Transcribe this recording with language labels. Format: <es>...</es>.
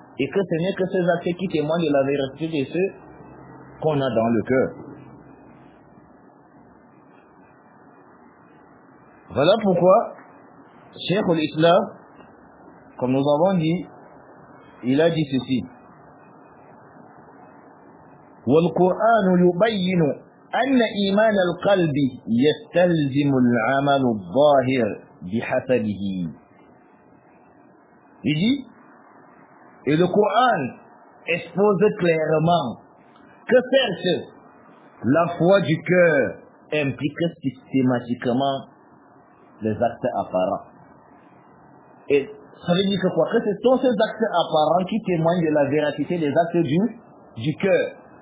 <fr>Et que ce n'est que ces actes qui témoignent de la vérité de ce qu'on a dans le cœur. Voilà pourquoi Cheikh al-Islam, comme nous avons dit, il a dit ceci.</fr> <ar>والقرآن يبين أن إيمان القلب يستلزم العمل الظاهر بحسبه.</ar> <fr>Il dit, et le Coran expose clairement que certes, la foi du cœur implique systématiquement les actes apparents. Et ça veut dire que quoi? Que ce sont ces actes apparents qui témoignent de la véracité des actes du cœur.</fr>